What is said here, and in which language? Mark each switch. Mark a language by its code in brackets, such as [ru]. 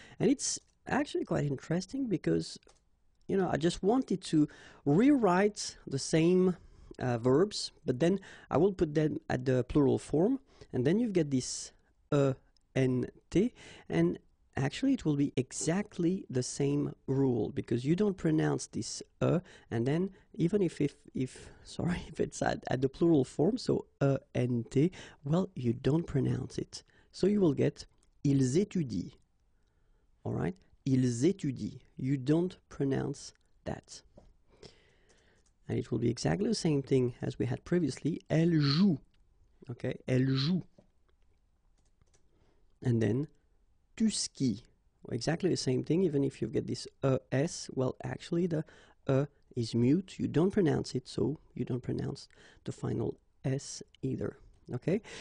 [en] And it's actually quite interesting because, you know, I just wanted to rewrite the same verbs, but then I will put them at the plural form, and then you get this E, N, T, and actually, it will be exactly the same rule because you don't pronounce this e, and then even if it's at the plural form, so ent, well, you don't pronounce it. [fr] So you will get ils étudient. [en] All right, [fr] ils étudient. [en] You don't pronounce that, and it will be exactly the same thing as we had previously. [fr] Elle joue. [en] Okay, [fr] elle joue. [en] And then [fr] tu skis. [en] Well, exactly the same thing, even if you get this ES, well, actually the E is mute, you don't pronounce it, so you don't pronounce the final S either. Okay?